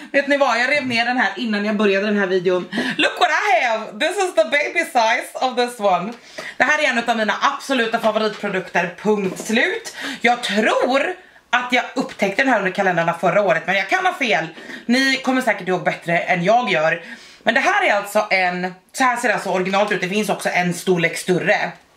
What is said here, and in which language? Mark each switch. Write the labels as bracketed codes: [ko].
[sv] Vet ni vad, jag rev ner den här innan jag började den här videon. [en] Look what I have! This is the baby size of this one. [sv] Det här är en av mina absoluta favoritprodukter, punkt slut. Jag tror att jag upptäckte den här under kalendrarna förra året, men jag kan ha fel. Ni kommer säkert ihåg bättre än jag gör. Men det här är alltså en, så här ser det alltså originalt ut, det finns också en storlek större.